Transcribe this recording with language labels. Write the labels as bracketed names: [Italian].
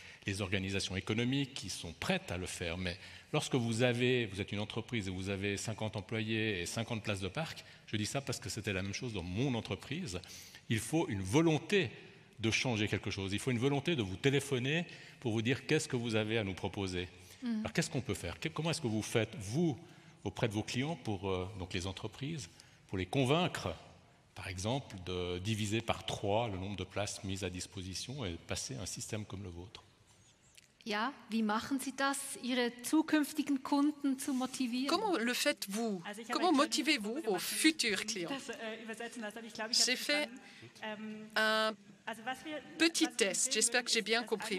[French] les organisations économiques qui sont prêtes à le faire. Mais lorsque vous êtes une entreprise et vous avez 50 employés et 50 places de parc, je dis ça parce que c'était la même chose dans mon entreprise, il faut une volonté de changer quelque chose. Il faut une volonté de vous téléphoner pour vous dire qu'est-ce que vous avez à nous proposer. Mmh. Alors qu'est-ce qu'on peut faire? Comment est-ce que vous faites, vous, auprès de vos clients, pour donc les entreprises, pour les convaincre, par exemple, de diviser par 3 le nombre de places mises à disposition et passer à un système comme le vôtre? [German] Ja, wie machen Sie das, Ihre zukünftigen Kunden zu motivieren? [French] Comment le faites-vous? Comment motivez-vous vos futurs clients? J'ai fait un petit test, j'espère que j'ai bien compris.